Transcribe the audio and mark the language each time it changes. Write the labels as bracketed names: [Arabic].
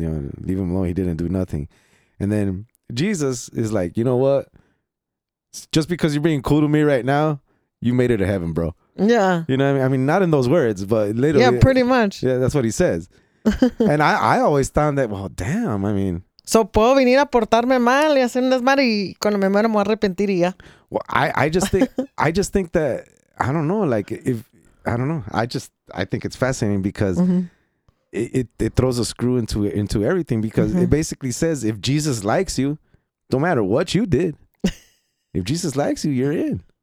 [English] you know, leave him alone, he didn't do nothing. And then Jesus is like, you know what, just because you're being cool to me right now, you made it to heaven, bro. Yeah. You know what I mean? I mean, not in those words, but literally. Yeah, pretty much. Yeah, that's what he says. And I always thought that, well, damn, I mean. [Spanish] So, ¿puedo venir a portarme mal y hacer un desmadre y cuando me muero me voy a arrepentir y ya? [English] Well, I just think that, I don't know, like, if, I don't know. I think it's fascinating because, mm-hmm, it throws a screw into everything, because mm-hmm. it basically says, if Jesus likes you, don't matter what you did, if Jesus likes you, you're in.